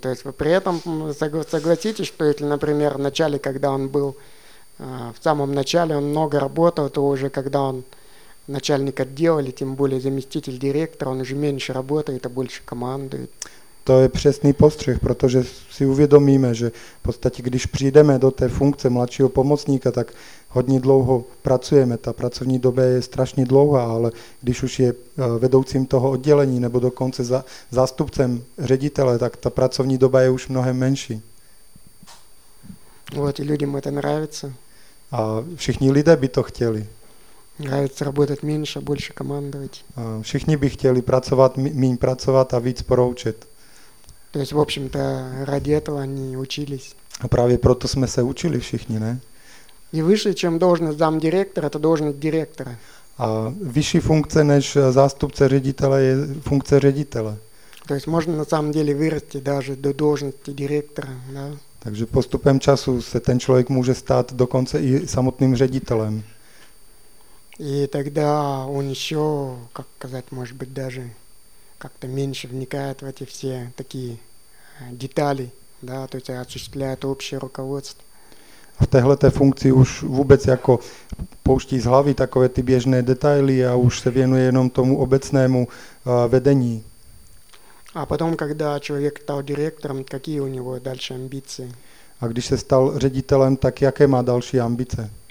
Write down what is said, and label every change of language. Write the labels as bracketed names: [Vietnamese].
[Russian] То есть вы при этом согласитесь, что если, например, в начале, когда он был, в самом начале он много работал, то уже когда он начальник отдела, или тем более заместитель директора, он уже меньше работает, а больше командует. [Czech] To je přesný postřeh, protože si uvědomíme, že v podstatě, když přijdeme do té funkce mladšího pomocníka, tak hodně dlouho pracujeme, ta pracovní doba je strašně dlouhá, ale když už je vedoucím toho oddělení nebo dokonce zástupcem ředitele, tak ta pracovní doba je už mnohem menší. [Russian] Вот, и людям это нравится. [Czech] A všichni lidé by to chtěli. [Russian] Нравится работать меньше, больше командовать. [Czech] A všichni by chtěli pracovat, méně pracovat a víc poroučet. [Russian] То есть, в общем-то, ради этого они учились. [Czech] А právě proto jsme se učili všichni, ne? [Russian] И выше, чем должность замдиректора, это должность директора. [Czech] А вищая функция, než заступца ředitele, je функция ředitele. [Russian] То есть можно на самом деле вырасти даже до должности директора, да? [Czech] Takže postupem času se ten člověk může stát dokonce i samotným ředitelem. [Russian] И тогда он ещё, как сказать, может быть даже как-то меньше вникает в эти все такие детали, да, то есть осуществляет общее руководство. [Czech] A v téhleté funkci už vůbec jako pouští z hlavy takové ty běžné detaily a už se věnuje jenom tomu obecnému vedení. A potom, [Russian] когда человек стал директором, какие у него дальше амбиции? [Czech] A když se stal ředitelem, tak jaké má další ambice?